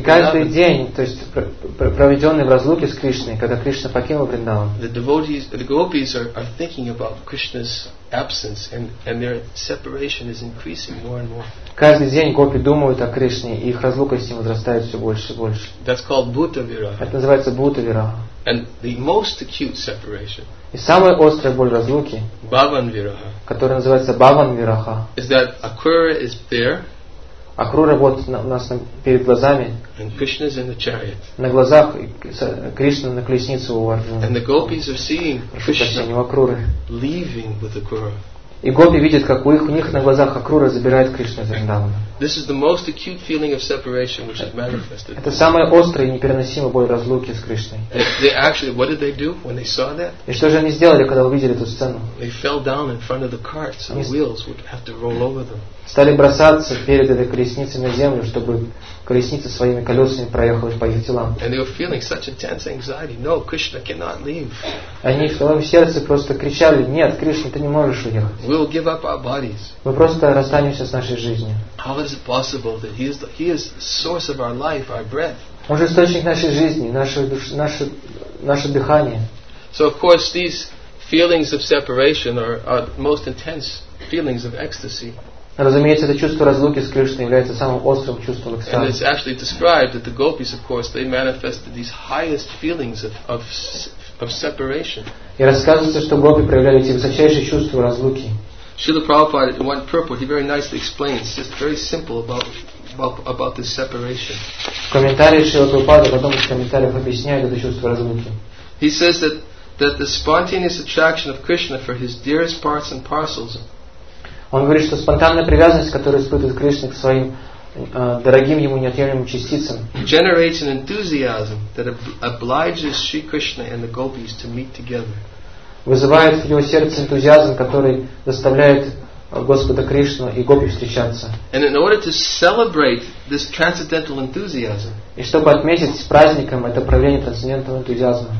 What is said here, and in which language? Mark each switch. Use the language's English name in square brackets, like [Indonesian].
[Russian] И каждый день, то есть проведенный в разлуке с Кришной, когда Кришна покинул Вриндаван. [English] The devotees, the gopis are thinking about Krishna's absence, and their separation is increasing more and more. [Russian] Каждый день гопи думают о Кришне, и их разлука с ним возрастает все больше и больше. [English] That's called Bhuta Viraha. [Russian] Это называется Bhuta Viraha. [English] And the most acute separation. [Russian] И самая острая боль разлуки. [English] Bhavan Viraha. [Russian] Которая называется Bhavan Viraha. [English] Is that Akura is there? [Russian] Акура вот у нас перед глазами. [English] And Krishna is in the chariot. [Russian] На глазах Кришна на колеснице у Арджуны. [English] And the gopis are seeing Krishna leaving with Akura. [Russian] И гопи видят, как у них на глазах Акура забирает Кришну из Вриндавана. [English] This is the most acute feeling of separation which is manifested. [Russian] Это самая острая и непереносимая боль разлуки с Кришной. [English] They actually, what did they do when they saw that? [Russian] И что же они сделали, когда увидели эту сцену? [English] They fell down in front of the carts, and wheels would have to roll over them. [Russian] Стали бросаться перед этой колесницей на землю, чтобы колесница своими колесами проехала по их телам. [English] And they were feeling such intense anxiety. No, Krishna cannot leave. [Russian] Они в своем сердце просто кричали: нет, Кришна, ты не можешь уехать. [English] We will give up our bodies. [Russian] Мы просто расстанемся с нашей жизнью. [English] How is it possible that he is the source of our life, our breath? [Russian] Он же источник нашей жизни, наше дыхание. [English] So of course these feelings of separation are most intense feelings of ecstasy. [Russian] Разумеется, это чувство разлуки с Кришной является самым острым чувством экстаза. [English] And it's actually described that the gopis, of course, they manifested these highest feelings of separation. [Russian] И рассказывается, что гопи проявляли эти высочайшие чувства разлуки. [English] Śrīla Prabhupāda, in one purport, he very nicely explains, just very simple about this separation. [Russian] В комментариях Śrīla Prabhupāda, потом в комментариях объясняет это чувство разлуки. [English] He says that the spontaneous attraction of Krishna for his dearest parts and parcels. [Russian] Он говорит, что спонтанная привязанность, которую испытывает Кришна к своим дорогим ему неотъемлемым частицам, [English] generates an enthusiasm that obliges Sri Krishna and the gopis to meet together. [Russian] Вызывает в его сердце энтузиазм, который заставляет Господа Кришну и гопи встречаться. [English] And in order to celebrate this transcendental enthusiasm, [Russian] и чтобы отметить с праздником это проявление трансцендентного энтузиазма,